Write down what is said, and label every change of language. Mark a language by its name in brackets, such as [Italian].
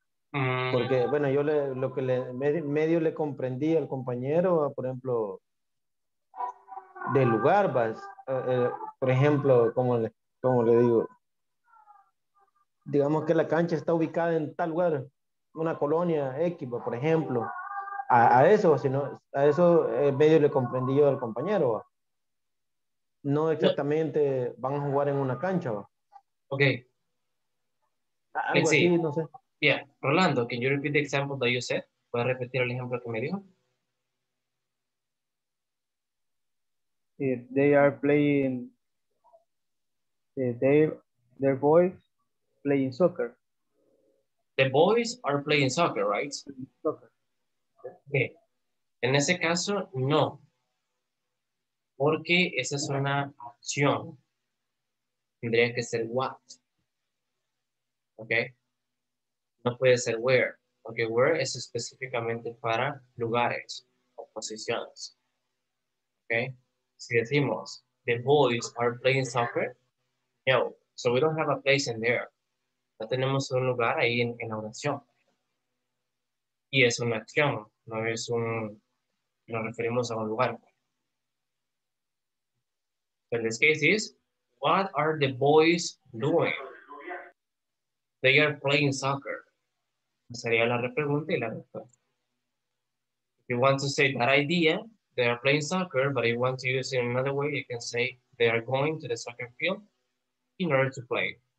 [Spanish] Porque, bueno, yo medio le comprendí al compañero, por ejemplo, del lugar, por ejemplo, como le digo, digamos que la cancha está ubicada en tal lugar, una colonia X, por ejemplo, a eso medio le comprendí yo al compañero, ¿va? No exactamente van a jugar en una cancha, ¿va? [English] Okay. [Spanish] Algo así, no sé. [English] Yeah, Rolando, can you repeat the example that you said? [Spanish] ¿Puedes repetir el ejemplo que me dijo? [English] If they are playing, their boys playing soccer. The boys are playing soccer, right? Soccer. Okay. [Spanish] En ese caso, no. Porque esa es una acción. Tendría que ser what. Okay. No puede ser where, porque where es específicamente para lugares o posiciones. Okay? Si decimos, [English] the boys are playing soccer, [Spanish] no. [English] So we don't have a place in there. [Spanish] No tenemos un lugar ahí en la oración. Y es una acción, no es un, nos referimos a un lugar. [English] So in this case is, what are the boys doing? They are playing soccer. [Spanish] Sería la pregunta y la respuesta. [English] If you want to say that idea, they are playing soccer, but if you want to use it in another way, you can say they are going to the soccer field in order to play.